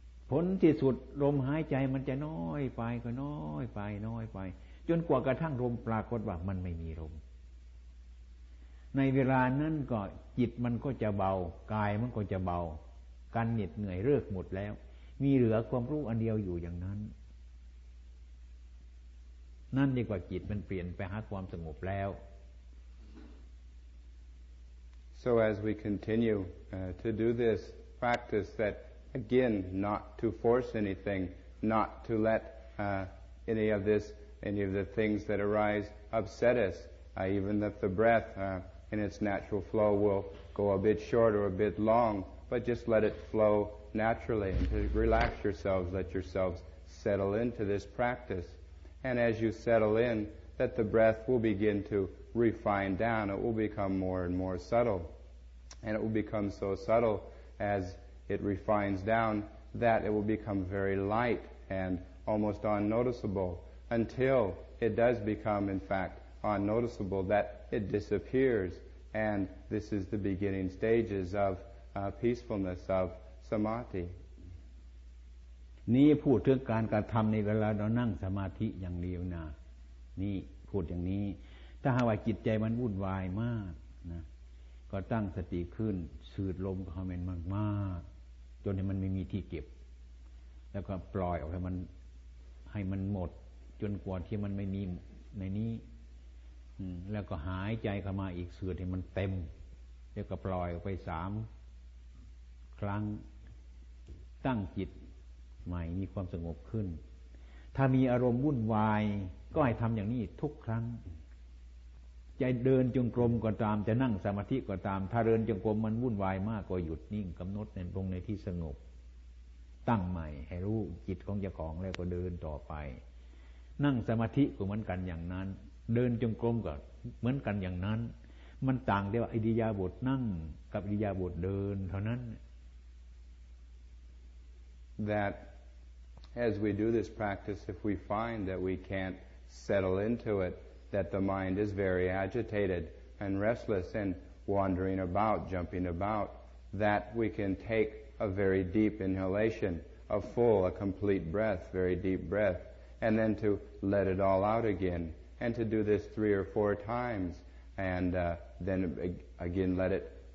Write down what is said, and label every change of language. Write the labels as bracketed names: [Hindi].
[Thai] ผลที่สุดลมหายใจมันจะน้อยไปก็น้อยไปน้อยไปจนกว่ากระทั่งลมปรากฏว่ามันไม่มีลมในเวลานั้นก็จิตมันก็จะเบากายมันก็จะเบาการเหน็ดเหนื่อยเลิกหมดแล้วมีเหลือความรู้อันเดียวอยู่อย่างนั้นนั่นดีกว่าจิตมันเปลี่ยนไปหาความสงบแล้ว [English] So as we continue to do this practice thatAgain, not to force anything, not to let any of the things that arise upset us, even if the breath in its natural flow will go a bit short or a bit long, but just let it flow naturally and to relax yourselves, let yourselves settle into this practice. And as you settle in, that the breath will begin to refine down, it will become more and more subtle. And it will become so subtle as... it refines down, that it will become very light and almost unnoticeable until it does become, in fact, unnoticeable, that it disappears. And this is the beginning stages of peacefulness, of samadhi. [Thai] นี่พูดถึงการกระทำในเวลาเรานั่งสมาธิอย่างเดียวนะนี่พูดอย่างนี้ถ้าหากว่าจิตใจมันวุ่นวายมากนะก็ตั้งสติขึ้นสูดลมเข้าเป็นมากๆจนให้มันไม่มีที่เก็บแล้วก็ปล่อยออกให้มันหมดจนกว่าที่มันไม่มีในนี้ แล้วก็หายใจเข้ามาอีกเสือดให้มันเต็มแล้วก็ปล่อยออกไป3ครั้งตั้งจิตใหม่มีความสงบขึ้นถ้ามีอารมณ์วุ่นวายก็ให้ทำอย่างนี้ทุกครั้ง จะเดินจงกรมก็ตามจะนั่งสมาธิก็ตามถ้าเดินจงกรมมันวุ่นวายมากก็หยุดนิ่งกำหนดลงในที่สงบตั้งใหม่ให้รู้จิตของเจ้าของแล้วก็เดินต่อไปนั่งสมาธิก็เหมือนกันอย่างนั้นเดินจงกรมก็เหมือนกันอย่างนั้นมันต่างเดียวอิริยาบถนั่งกับอิริยาบถเดินเท่านั้น [English] That as we do this practice if we find that we can't settle into it that the mind is very agitated and restless and wandering about jumping about that we can take a very deep inhalation a full a complete breath very deep breath and then to let it all out again and to do this 3 or 4 timesand then again let it